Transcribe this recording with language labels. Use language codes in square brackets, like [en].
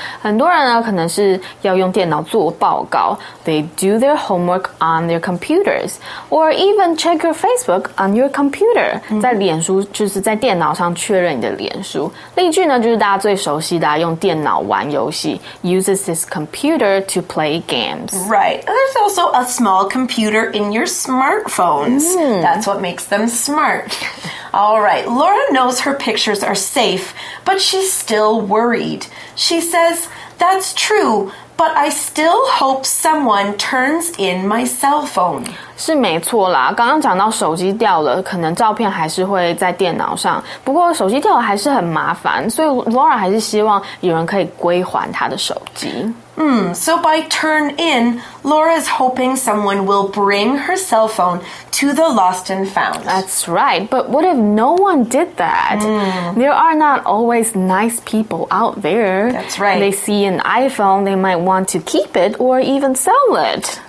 [zh] 很多人呢可能是要用电脑做报告。 [en] They do their homework on their computers. Or even check your Facebook on your computer.、 Mm-hmm. [zh] 在脸书就是在电脑上确认你的脸书。例句呢就是大家最熟悉的、啊、用电脑玩游戏。 [en] Uses his computer to play games. Right. There's also a small computer in your smartphones.、 Mm. That's what makes them smart. All right. Laura knows her pictures are safe, but she's still worried. She says, that's true. But I still hope someone turns in my cell phone. [zh] 是没错啦，刚刚讲到手机掉了，可能照片还是会在电脑上。不过手机掉了还是很麻烦，所以 Laura 还是希望有人可以归还她的手机。 [en] So by turn in, Laura's hoping someone will bring her cell phone to the lost and found. That's right. But what if no one did that? There are not always nice people out there. That's right. They see an iPhone, they might want to keep it or even sell it.